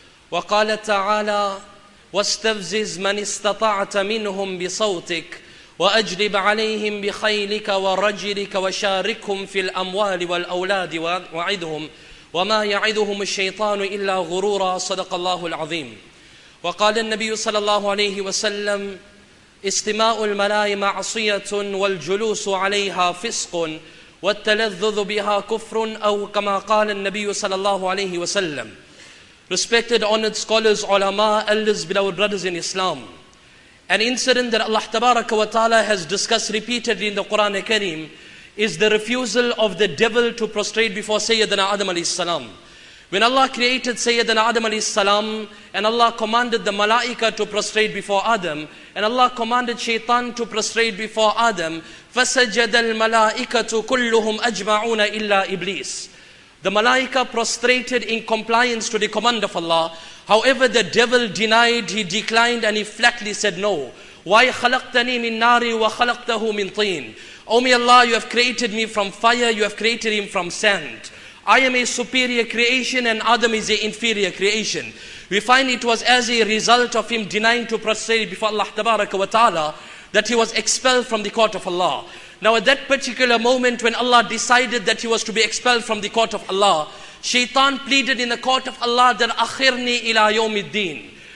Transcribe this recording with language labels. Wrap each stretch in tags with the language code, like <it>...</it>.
<ar>وقال تعالى: واستفزز من استطعت منهم بصوتك وأجلب عليهم بخيلك ورجلك وشاركهم في الأموال والأولاد وعدهم وما يعدهم الشيطان إلا غرورا، صدق الله العظيم. وقال النبي صلى الله عليه وسلم: استماع الملائكة معصية، والجلوس عليها فسق، والتلذذ بها كفر، أو كما قال النبي صلى الله عليه وسلم.</ar> <en>Respected, honored scholars, ulama, elders, beloved brothers in Islam, an incident that Allah tabaraka wa ta'ala has discussed repeatedly in the Quran Kareem is the refusal of the devil to prostrate before Sayyidina Adam alayhi salam. When Allah created Sayyidina Adam alayhi salam, and Allah commanded the malaika to prostrate before Adam, and Allah commanded shaitan to prostrate before Adam,</en> <ar>فَسَجَدَ الْمَلَائِكَةُ كُلُّهُمْ أَجْمَعُونَ إِلَّا إِبْلِيسِ.</ar> <en>The malaika prostrated in compliance to the command of Allah. However, the devil denied, he declined, and he flatly said no. Why</en> <ar>خَلَقْتَنِي مِن نَارِ وَخَلَقْتَهُ مِن طِينَ.</ar> <en>O my Allah, you have created me from fire, you have created him from sand. I am a superior creation and Adam is an inferior creation. We find it was as a result of him denying to prostrate before Allah tabaraka wa ta'ala that he was expelled from the court of Allah. Now at that particular moment when Allah decided that he was to be expelled from the court of Allah, shaitan pleaded in the court of Allah that</en> <ar>akhirni ila yawmiddin.</ar>